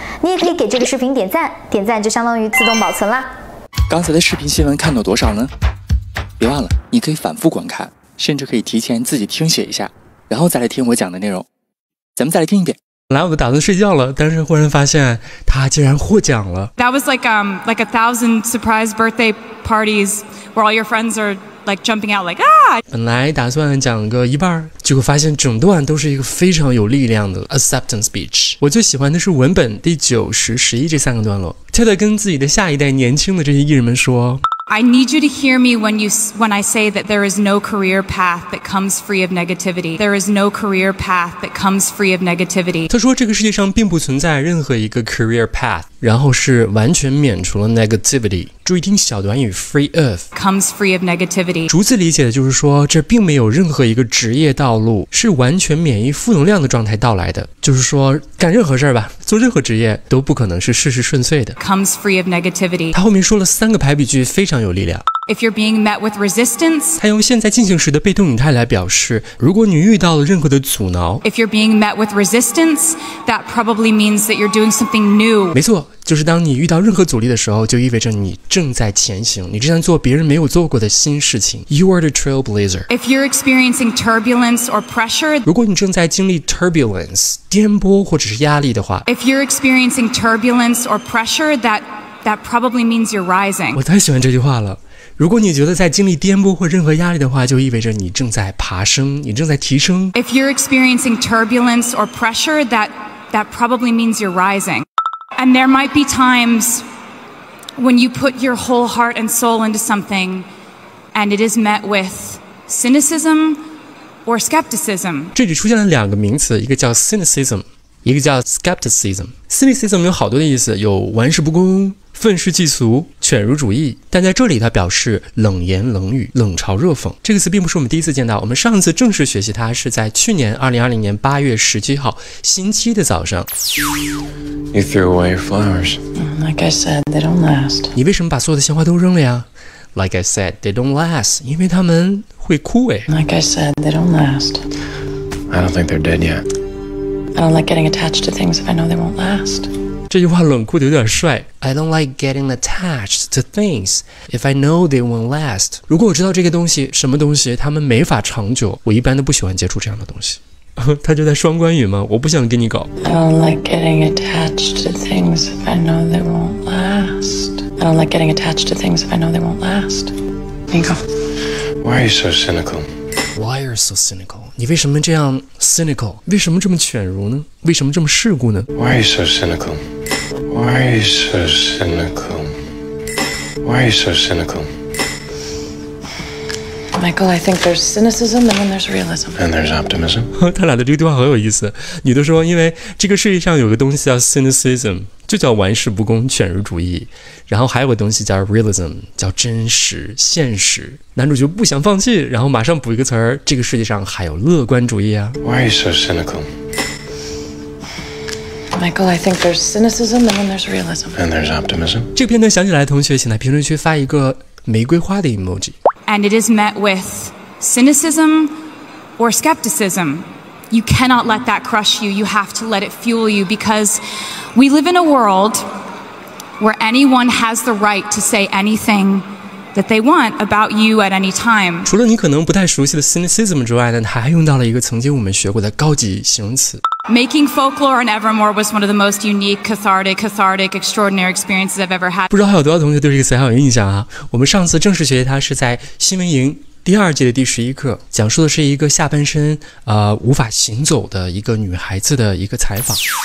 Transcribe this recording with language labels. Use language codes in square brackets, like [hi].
[zh] 你也可以给这个视频点赞，点赞就相当于自动保存啦。刚才的视频新闻看到多少呢？别忘了，你可以反复观看，甚至可以提前自己听写一下，然后再来听我讲的内容。咱们再来听一遍。来，我打算睡觉了，但是忽然发现他竟然获奖了。 [en] That was like a thousand surprise birthday parties where all your friends are like jumping out like ah. [zh] 本来打算讲个一半，结果发现整段都是一个非常有力量的 acceptance speech。我最喜欢的是文本第九、十、十一这三个段落。Ted 跟自己的下一代年轻的这些艺人们说。 [en] I need you to hear me when I say that there is no career path that comes free of negativity. There is no career path that comes free of negativity. [zh] 他说这个世界上并不存在任何一个 career path, 然后是完全免除了 negativity. 注意听小短语 free of. [en] Comes free of negativity. [zh] 逐字理解的就是说这并没有任何一个职业道路是完全免于负能量的状态到来的。就是说干任何事吧，做任何职业都不可能是事事顺遂的。 [en] Comes free of negativity. [zh] 他后面说了三个排比句非常有力量。 [en] If you're being met with resistance, [zh] 他用现在进行时的被动语态来表示，如果你遇到了任何的阻挠。 [en] If you're being met with resistance, that probably means that you're doing something new. [zh] 没错，就是当你遇到任何阻力的时候，就意味着你正在前行，你正在做别人没有做过的新事情。 [en] You are the trailblazer. If you're experiencing turbulence or pressure, [zh] 如果你正在经历 turbulence, 颠簸或者是压力的话。 [en] If you're experiencing turbulence or pressure, that probably means you're rising. [zh] 我太喜欢这句话了。如果你觉得在经历颠簸或任何压力的话，就意味着你正在爬升，你正在提升。 [en] If you're experiencing turbulence or pressure, that probably means you're rising. And there might be times when you put your whole heart and soul into something, and it is met with cynicism or skepticism. [zh] 这里出现了两个名词，一个叫 cynicism， 一个叫 skepticism。 Cynicism 有好多的意思，有玩世不恭。愤世嫉俗、犬儒主义，但在这里它表示冷言冷语、冷嘲热讽。这个词并不是我们第一次见到，我们上次正式学习它是在去年2020年8月17号星期的早上。 [en] You threw away your flowers. Like I said, they don't last. [zh] 你为什么把所有的鲜花都扔了呀？ [en] Like I said, they don't last. [zh] 因为它们会枯萎。 [en] Like I said, they don't last. I don't think they're dead yet. I don't like getting attached to things if I know they won't last. [zh] 这句话冷酷的有点帅。 [en] I don't like getting attached to things if I know they won't last. [zh] 如果我知道这个东西，什么东西，他们没法长久，我一般都不喜欢接触这样的东西。他就在双关语吗？我不想跟你搞。 [en] I don't like getting attached to things if I know they won't last. I don't like getting attached to things if I know they won't last. Why are you so cynical? Why are you so cynical? [zh] 你为什么这样 cynical? 为什么这么犬儒呢？为什么这么世故呢？ [en] Why are you so cynical? Why are you so cynical? Why are you so cynical? Michael, I think there's cynicism and then there's realism. And there's optimism. [zh] 他俩的这个对话很有意思。你都说因为这个世界上有个东西叫 cynicism, 就叫玩世不恭、犬儒主义。然后还有个东西叫 realism, 叫真实、现实。男主就不想放弃，然后马上补一个词儿，这个世界上还有乐观主义啊。 [en] Why are you so cynical? Michael, I think there's cynicism and then there's realism. And there's optimism. [zh] 这个片段想起来的同学，请在评论区发一个玫瑰花的 emoji. [en] And it is met with cynicism or skepticism. You cannot let that crush you. You have to let it fuel you because we live in a world where anyone has the right to say anything. That they want about you at any time. [zh] 除了你可能不太熟悉的 cynicism 之外呢，他还用到了一个曾经我们学过的高级形容词。 [en] Making folklore in Evermore was one of the most unique, cathartic, extraordinary experiences I've ever had. [zh] 不知道还有多少同学对这个词还有印象啊？我们上次正式学习它是在新闻营第二季的第十一课，讲述的是一个下半身无法行走的一个女孩子的一个采访。